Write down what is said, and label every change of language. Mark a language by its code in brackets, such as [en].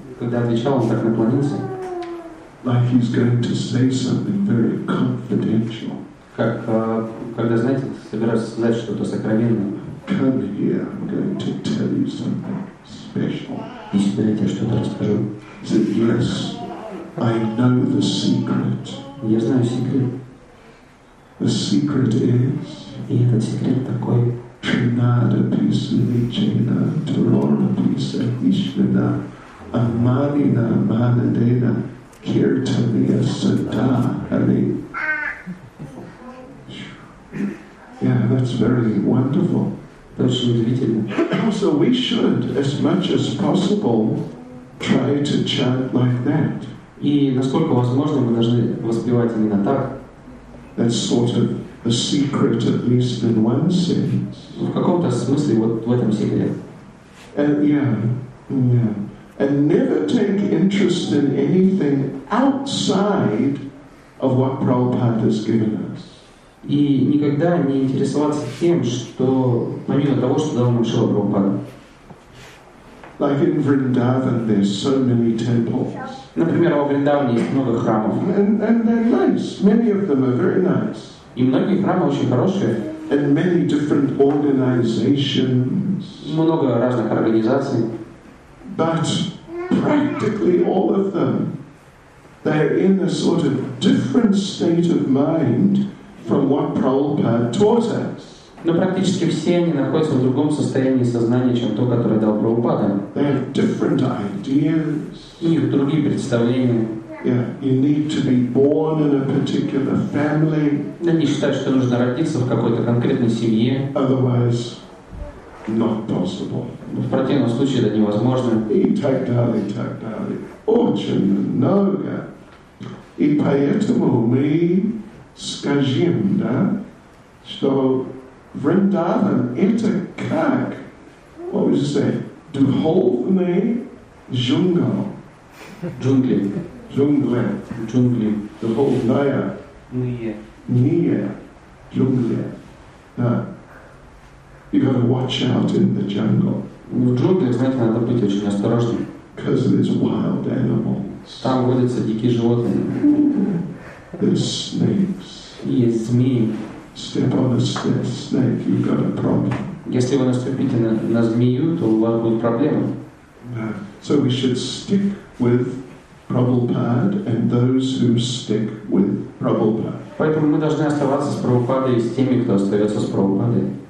[ru] Когда отвечал, он так наклонился. [en] Like he's going to say something very confidential. [ru] Как, когда, знаете, собираются сказать что-то сокровенное. [en] Come here, I'm going to tell you something special. [ru] И теперь я тебе что-то расскажу. [en] Say, yes, I know the secret. [ru] Я знаю секрет. [en] The secret is... [ru] И этот секрет такой... [sa] Trinada Pisa Vichena, Torora Pisa Vishvana, Amanina Manadena, Kirtaniya Sada, Ali. [en] Yeah, that's very wonderful. That's [ru] удивительно. [en] So we should, as much as possible, try to chant like that. [ru] И насколько возможно, мы должны воспевать именно так. [en] That's sort of a secret, at least in one sense. [ru] В каком-то смысле, вот в этом секрете. [en] And yeah. And never take interest in anything outside of what Prabhupada has given us. [ru] И никогда не интересоваться тем, что помимо того, что дал нам Шрила Прабхупада. [en] Like in Vrindavan, there's so many temples. [ru] Например, во Вриндаване есть много храмов. [en] And they're nice. Many of them are very nice. [ru] И многие храмы очень хорошие. [en] And many different organizations. [ru] Много разных организаций. [en] But practically all of them, they're in a sort of different state of mind from what Prabhupada taught us. [ru] Но практически все они находятся в другом состоянии сознания, чем то, которое дал Прабхупада. [en] They have different ideas. [ru] У них другие представления. [en] Yeah, you need to be born in a particular family. [ru] Они считают, что нужно родиться в какой-то конкретной семье. [en] Otherwise, not possible. [ru] В противном случае это невозможно. И так далее, и так далее. Очень много. И поэтому мы скажем, да, что Вриндаван — это как, [en] what would you say, [ru] духовный джунгл. Джунгли. Джунгли. Джунгли. Духовная. Ние. Ние. Джунгли. Да. [en] You gotta watch out in the jungle. [ru] В джунгле, знаете, надо быть очень осторожным. [en] Because there's wild animals. [ru] Там водятся дикие животные. [en] There's snakes. [ru] И есть змеи. [en] Step on a snake, you've got a problem. [ru] Если вы наступите на змею, то у вас будут проблемы. [en] So we should stick with Prabhupada and those who stick with Prabhupada. [ru] Поэтому мы должны оставаться с Прабхупадой и с теми, кто остается с Прабхупадой.